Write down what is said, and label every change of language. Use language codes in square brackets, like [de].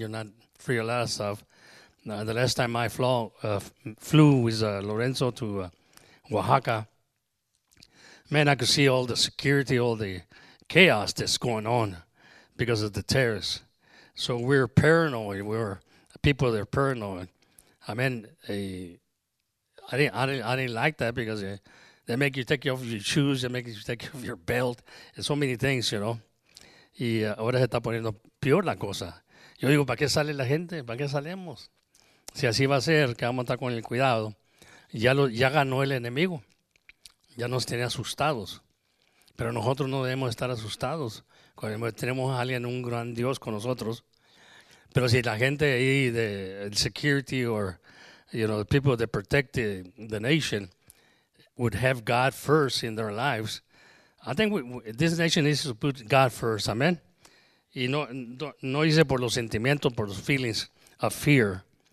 [en] You're not free a lot of stuff. Now, the last time I flew with Lorenzo to Oaxaca, man, I could see all the security, all the chaos that's going on because of the terrorists. So we're paranoid. We're people that are paranoid. I mean, I didn't like that because they make you take off your shoes. They make you take off your belt. And so many things, you know. [es] Y ahora se está poniendo peor la cosa. Yo digo, ¿para qué sale la gente? ¿Para qué salemos? Si así va a ser, que vamos a estar con el cuidado. Ya ganó el enemigo. Ya nos tiene asustados. Pero nosotros no debemos estar asustados. Cuando tenemos a alguien, un gran Dios con nosotros. Pero si la gente ahí de [en] security or, you know, the people that protect the nation would have God first in their lives, I think this nation needs to put God first, amen? [es] Y no dice por los sentimientos, por los [en] feelings of fear.